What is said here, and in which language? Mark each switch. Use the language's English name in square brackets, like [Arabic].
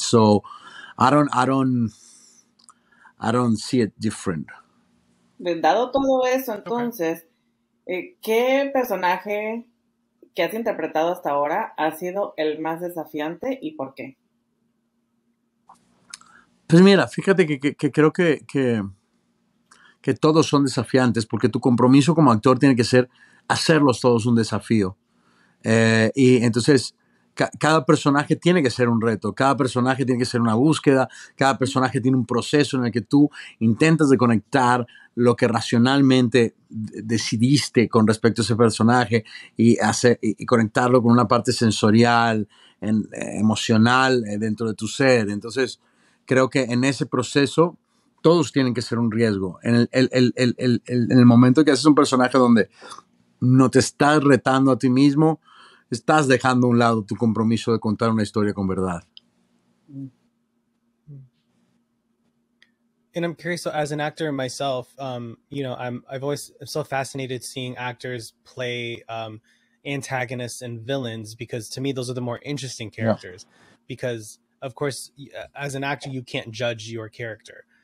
[English] So I don't see it different. [Spanish] Dado todo eso, entonces, ¿qué personaje que has interpretado hasta ahora ha sido el más desafiante y por qué? Pues mira, fíjate que creo que todos son desafiantes, porque tu compromiso como actor tiene que ser hacerlos todos un desafío. Y entonces cada personaje tiene que ser un reto, cada personaje tiene que ser una búsqueda, cada personaje tiene un proceso en el que tú intentas de conectar lo que racionalmente decidiste con respecto a ese personaje y conectarlo con una parte sensorial, emocional dentro de tu ser. Entonces, creo que en ese proceso todos tienen que ser un riesgo. En el momento que haces un personaje donde no te estás retando a ti mismo, estás dejando a un lado tu compromiso de contar una historia con verdad. [English] And I'm curious, so as an actor myself, you know, I'm so fascinated seeing actors play antagonists and villains, because to me, those are the more interesting characters. Yeah. Because, of course, as an actor, you can't judge your character.